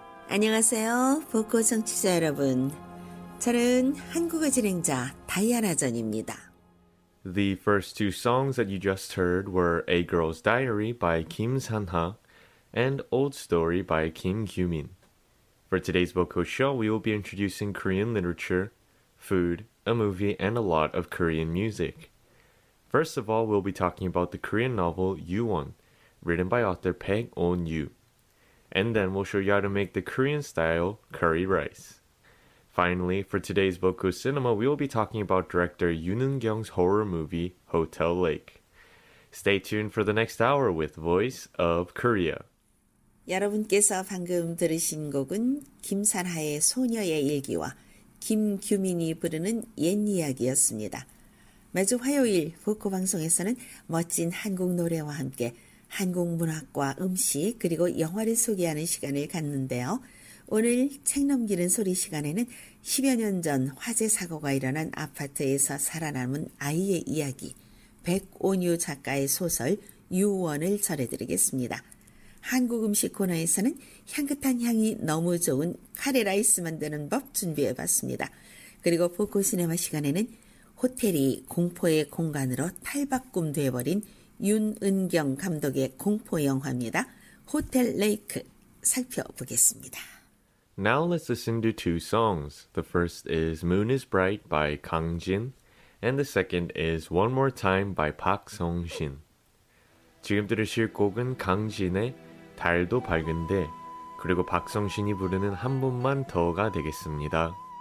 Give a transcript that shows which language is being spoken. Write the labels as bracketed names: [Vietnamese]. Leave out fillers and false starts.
[Korean] 안녕하세요, 복고 청취자 여러분. 저는 한국어 진행자 다이아나 전입니다. [English] The first two songs that you just heard were A Girl's Diary by Kim Sanha and Old Story by Kim Kyumin. For today's 복고 show, we will be introducing Korean literature, food, a movie, and a lot of Korean music. First of all, we'll be talking about the Korean novel Yuwon, written by author Park Eun-yu. And then we'll show you how to make the Korean-style curry rice. Finally, for today's Boku Cinema, we will be talking about director Yoon Eun-kyung's horror movie Hotel Lake. Stay tuned for the next hour with Voice of Korea. [Korean] 여러분께서 방금 들으신 곡은 김산하의 소녀의 일기와 김규민이 부르는 옛 이야기였습니다. 매주 화요일 보코 방송에서는 멋진 한국 노래와 함께 한국 문학과 음식 그리고 영화를 소개하는 시간을 갖는데요. 오늘 책 넘기는 소리 시간에는 10여 년 전 화재 사고가 일어난 아파트에서 살아남은 아이의 이야기, 백온유 작가의 소설 유원을 전해드리겠습니다. 한국 음식 코너에서는 향긋한 향이 너무 좋은 카레라이스 만드는 법 준비해봤습니다. 그리고 보코 시네마 시간에는 호텔이 공포의 공간으로 탈바꿈 돼버린 윤은경 감독의 공포 영화입니다. 호텔 레이크 살펴보겠습니다. [English] Now let's listen to two songs. The first is Moon is Bright by Kang Jin and the second is One More Time by Park Song Shin. [Korean] 지금 들으실 곡은 강진의 달도 밝은데 그리고 박성신이 부르는 한 번만 더가 되겠습니다.